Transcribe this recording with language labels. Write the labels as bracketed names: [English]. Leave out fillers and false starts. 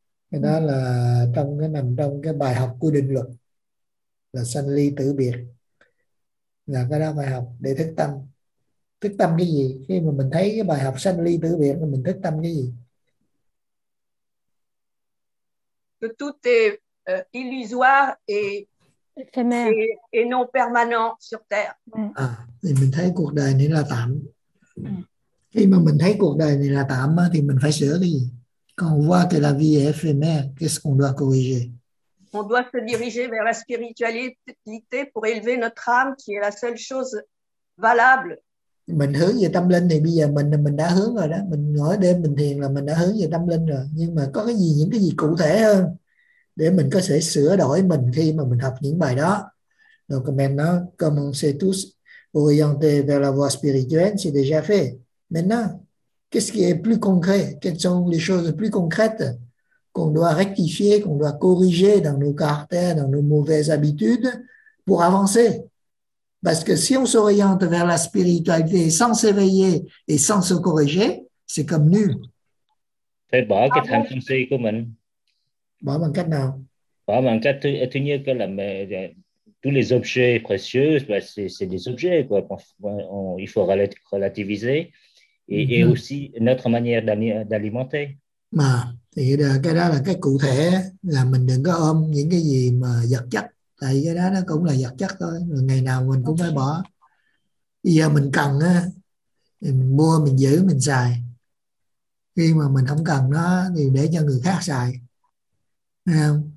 [Vietnamese] Cái đó là trong cái nằm trong cái bài học của định luật là sanh ly tử biệt, là cái đó bài học để thức tâm. Thức tâm cái gì? Khi mà mình thấy cái bài học sanh ly tử biệt mình thức tâm cái gì? [French] Que tout est illusoire et non permanent sur terre. [Vietnamese] À, thì mình thấy cuộc đời này là tạm. Khi mà mình thấy cuộc đời này là tạm thì mình phải sửa cái gì? [French] Quand on voit que la vie est éphémère, qu'est-ce qu'on doit corriger? On doit se diriger vers la spiritualité pour élever notre âme, qui est la seule chose valable. [Vietnamese] Mình hướng về tâm linh thì bây giờ mình đã hướng rồi đó. Mình ngồi đêm mình thiền là mình đã hướng về tâm linh rồi. Nhưng mà có cái gì, những cái gì cụ thể hơn để mình có thể sửa đổi mình khi mà mình học những bài đó? [French] Donc maintenant, comme on sait tous orienté vers la voie spirituelle, c'est déjà fait. Maintenant, qu'est-ce qui est plus concret? Quelles sont les choses plus concrètes qu'on doit rectifier, qu'on doit corriger dans nos caractères, dans nos mauvaises habitudes pour avancer? Parce que si on s'oriente vers la spiritualité sans s'éveiller et sans se corriger, c'est comme nul. [Vietnamese] Phải bỏ cái tham sân si của mình. Bỏ bằng cách nào? Bỏ bằng cách thứ nhất là [French] tous les objets précieux, c'est des objets quoi. Il faut relativiser. Et aussi notre manière d'alimenter. [Vietnamese] Mà thì cái đó là cái cụ thể là mình đừng có ôm những cái gì mà vật chất, tại cái đó nó cũng là vật chất thôi. Ngày nào mình cũng phải bỏ. Bây giờ mình cần á, mình mua, mình giữ, mình xài. Khi mà mình không cần nó thì để cho người khác xài. Thấy không?